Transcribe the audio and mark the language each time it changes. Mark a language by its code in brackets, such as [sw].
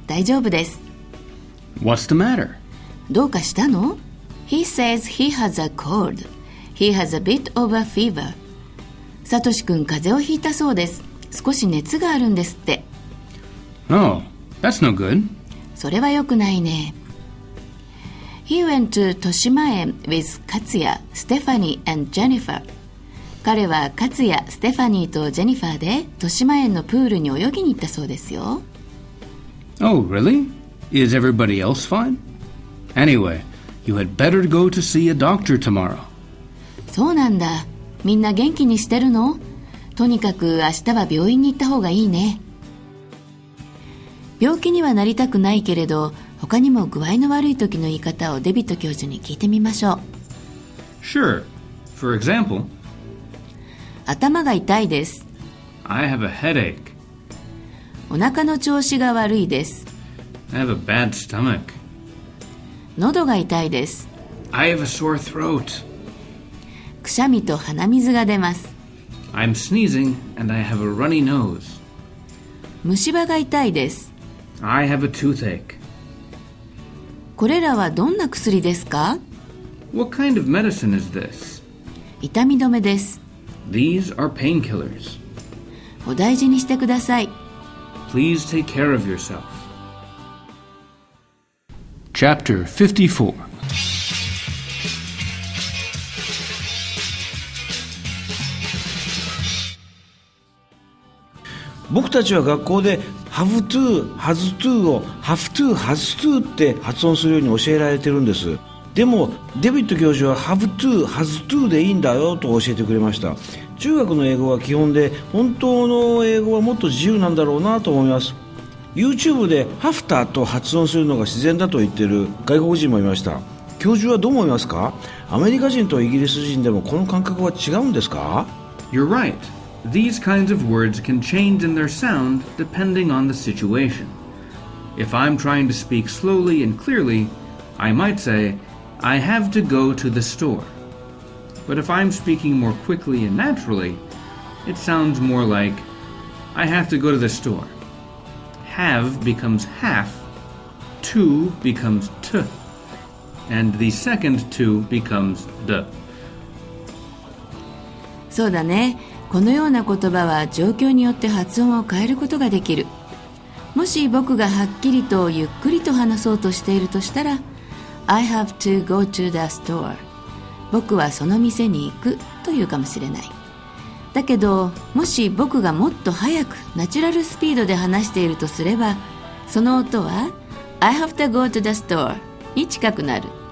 [ja] 大丈夫です。 [en] What's the matter? [ja] どうかしたの? [en] He says he has a cold. He has a bit of a fever. [ja] Satoshi 君、風邪をひいたそうです。少し熱があるんですって。 [en] Oh, that's no good. [ja] それはよくないね。 [en] He went to Toshimaen with Katsuya, Stephanie, and Jennifer. [ja] 彼は Katsuya, Stephanie, とジェニファーで Toshimaen のプールに泳ぎに行ったそうですよ。 [en] Oh, really? Is everybody else fine? Anyway, you had better go to see a doctor tomorrow. [ja] そうなんだ。みんな元気にしてるの?とにかく明日は病院に行った方がいいね。病気にはなりたくないけれど、他にも具合の悪い時の言い方をデビット教授に聞いてみましょう。 [en] Sure. For example, [ja] 頭が痛いです。 [en] I have a headache. [ja] お腹の調子が悪いです。 [en] I have a bad stomach. [ja] 喉が痛いです。 [en] I have a sore throat. [ja] くしゃみと鼻水が出ます。 [en] I'm sneezing and I have a runny nose. [ja] 虫歯が痛いです。 [en] I have a toothache. [ja] これらはどんな薬ですか? [en] What kind of medicine is this? [ja] 痛み止めです。 [en] These are painkillers. [ja] お大事にしてください。 [en] Please take care of yourself. Chapter 54. [ja] 僕たちは学校で [en] Have to, has to [ja] を Have to, has to って発音するように教えられてるんです。でもデビット教授は [en] Have to, has to [ja] でいいんだよと教えてくれました。中学の英語は基本で、本当の英語はもっと自由なんだろうなと思います。 YouTube で Have to と発音するのが自然だと言ってる外国人もいました。教授はどう思いますか?アメリカ人とイギリス人でもこの感覚は違うんですか? [en] You're right. These kinds of words can change in their sound depending on the situation. If I'm trying to speak slowly and clearly, I might say, I have to go to the store. But if I'm speaking more quickly and naturally, it sounds more like, I have to go to the store. Have becomes half, to becomes t, and the second to becomes the. [ja] そうだね。このような言葉は状況によって発音を変えることができる。もし僕がはっきりとゆっくりと話そうとしているとしたら、 [en] I have to go to the store. [ja] 僕はその店に行くというかもしれない。だけどもし僕がもっと早くナチュラルスピードで話しているとすれば、その音は [en] I have to go to the store [ja] に近くなる。